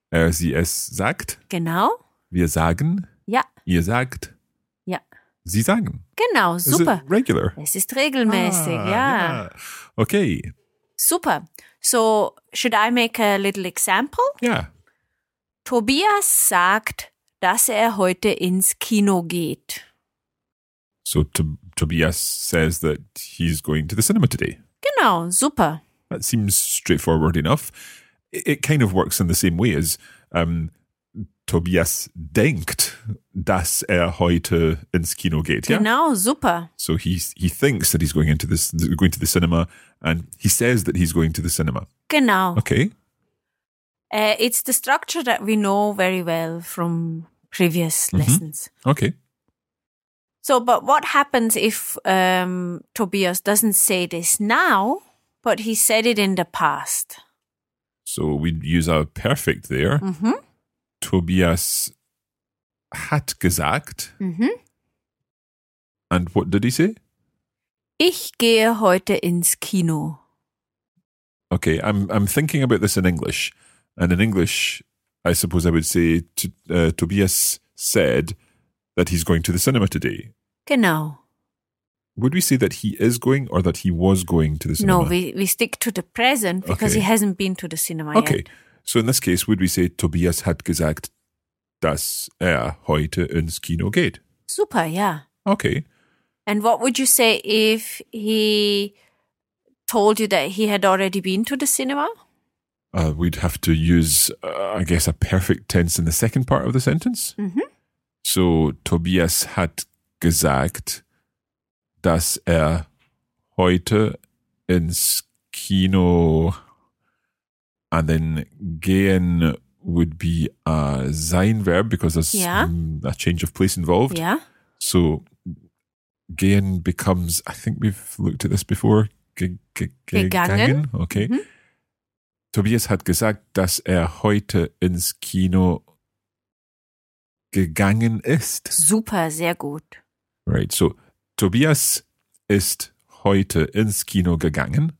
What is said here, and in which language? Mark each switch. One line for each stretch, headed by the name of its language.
German: Sie es sagt. Genau. Wir sagen. Ja. Ihr sagt. Ja. Sie sagen. Genau, super.
English: Is it regular?
German: Es ist regelmäßig, ja.
English: Yeah. Okay.
German: Super.
English: So, should I make a little example?
German: Ja. Tobias sagt, dass er heute ins Kino geht.
English: So Tobias says that he's going to the cinema today.
German: Genau, super.
English: That seems straightforward enough. It kind of works in the same way as
German: Tobias denkt, dass er heute ins Kino geht.
English: Yeah?
German: Genau, super.
English: So he thinks that he's going to the cinema, and he says that he's going to the cinema.
German: Genau.
English: Okay. It's the structure that we know very well from previous lessons. Okay. So, but what happens if Tobias doesn't say this now, But he said it in the past. So we'd use a perfect there. Mm-hmm.
German: Tobias hat gesagt. Mm-hmm.
English: And what did he say?
German: Ich gehe heute ins Kino.
English: Okay, I'm thinking about this in English. And in English, I suppose I would say
German: Tobias said that he's going to the cinema today. Genau.
English: Would we say that he is going or that he was going to the cinema? No, we stick to the present because okay. He hasn't been to the cinema okay. yet. Okay, so in this case, would we say Tobias
German: hat gesagt, dass heute ins Kino geht? Super, yeah.
English: Okay. And what would you say if he told you that he had already been to the cinema? We'd have to use, a perfect tense in the second part of the sentence. Mm-hmm. So,
German: Tobias hat gesagt, dass heute ins Kino,
English: and then gehen would be a sein Verb because there's a change of place involved. Yeah. So, gehen becomes, I think we've looked at this before,
German: gegangen.
English: Okay. Mm-hmm.
German: Tobias hat gesagt, dass heute ins Kino gegangen ist. Super, sehr gut. Right, so Tobias ist heute ins Kino gegangen.